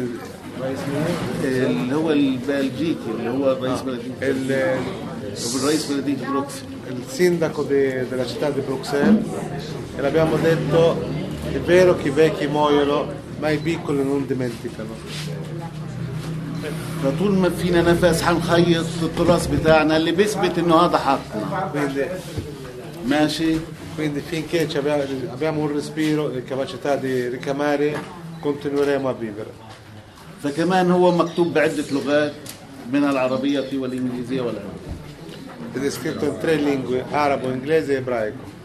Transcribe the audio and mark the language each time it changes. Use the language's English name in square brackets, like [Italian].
[Italian] Il sindaco della città di Bruxelles, e l'abbiamo detto, è vero che i vecchi muoiono, ma i piccoli non dimenticano. [Arabic] فطول ما فينا نفس هنخيط التراس بتاعنا اللي بيثبت انه هذا حقنا. ماشي. [Italian] Quindi finché abbiamo un respiro e capacità di ricamare, continueremo a vivere. [Arabic] فكمان هو مكتوب بعدة لغات من العربية والإنجليزية والعربية. [Italian] È descritto in tre lingue: arabo, inglese e ebraico.